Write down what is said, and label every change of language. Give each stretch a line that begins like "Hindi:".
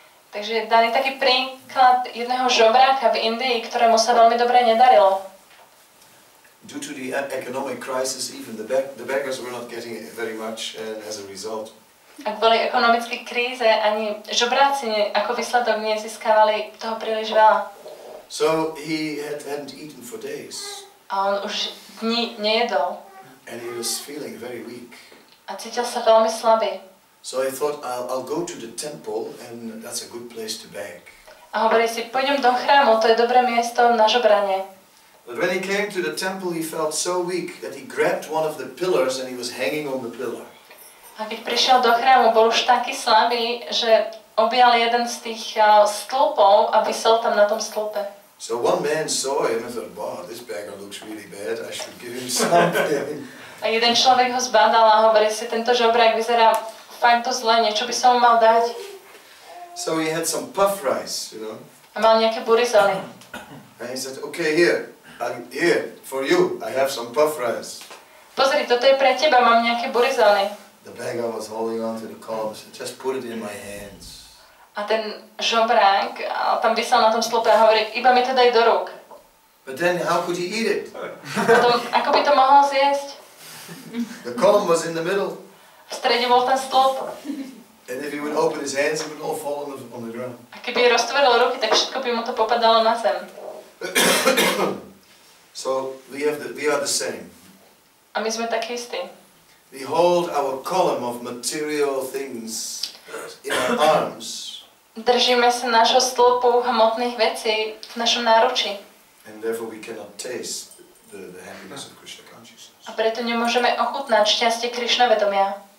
Slovak: Takže dali taký príklad jedného žobráka v Indii, ktorému sa veľmi dobre nedarilo.
English: Due to the economic crisis, even the beggars were not getting very much as a result.
Slovak: A kvôli ekonomickej kríze ani žobráci ako výsledok nezískavali toho príliš veľa.
English: So he hadn't eaten for days.
Slovak: A on už dni nejedol.
English: And he was feeling very weak.
Slovak: A cítil sa veľmi slabý.
English: So I thought I'll go to the temple and that's a good place to beg.
Slovak: A hovorí si, pôjdem do chrámu, to je dobré miesto na žobranie.
English: But when he came to the temple, he felt so weak that he grabbed one of the pillars and he was hanging on the pillar.
Slovak: A keď prišiel do chrámu, bol už taký slabý, že objal jeden z tých stĺpov a visel tam na tom stĺpe.
English: So one man saw him and thought, wow, this beggar looks really bad, I should give him something.
Slovak: A jeden človek ho zbadal a hovorí si, tento žobrák vyzerá fakt to zle, niečo by som mal dať.
English: So he had some puff rice, you know.
Slovak: A mal nejaké burizely.
English: And he said, okay, here, for you, I have some puff rice.
Slovak: Pozri, toto je pre teba, mám nejaké burizely.
English: The beggar was holding on to the cob, so just put it in my hands.
Slovak: A ten žobrák tam vysel na tom stĺpe a hovorí, iba mi to daj do rúk.
English: But then how could he eat it?
Slovak: Potom, ako by to mohol zjesť?
English: The column was in the middle.
Slovak: V strede bol ten stĺp.
English: And if he would open his hands, it would all fall on the ground.
Slovak: A keby roztvoril ruky, tak všetko by mu to popadalo na zem.
English: So we are the same.
Slovak: A my sme tak istí.
English: We hold our column of material things in our arms.
Slovak: Držíme sa nášho stĺpu hmotných vecí v našom náručí.
English: And therefore we cannot taste the happiness of Krishna consciousness.
Slovak: A preto nemôžeme ochutnať šťastie Krišna vedomia.